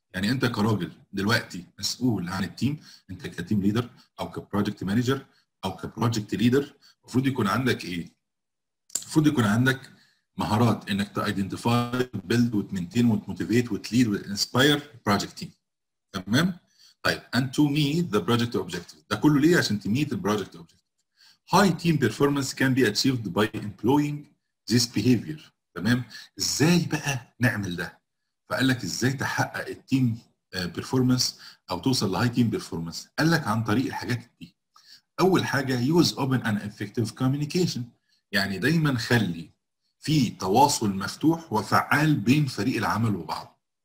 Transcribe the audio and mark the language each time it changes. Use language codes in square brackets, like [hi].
[ar] يعني انت كراجل دلوقتي مسؤول عن التيم، انت كتيم ليدر او كبروجكت مانجر او كبروجكت ليدر، المفروض يكون عندك ايه؟ المفروض يكون عندك مهارات انك تايدنتيفاي بيلد وتمنتين وتموتيفيت وتليد وانسباير بروجكت تيم، تمام؟ طيب [en] and to meet the project objectives. [ar] ده كله ليه؟ عشان تميت البروجكت اوبجكتيف. [en] High team performance can be achieved by employing this behavior. [ar] تمام؟ ازاي بقى نعمل ده؟ فقال لك ازاي تحقق التيم بيرفورمانس او توصل لهاي تيم بيرفورمانس؟ قال لك عن طريق الحاجات دي. اول حاجه [en] use open and effective communication, [ar] يعني دايما خلي في تواصل مفتوح وفعال بين فريق العمل وبعض.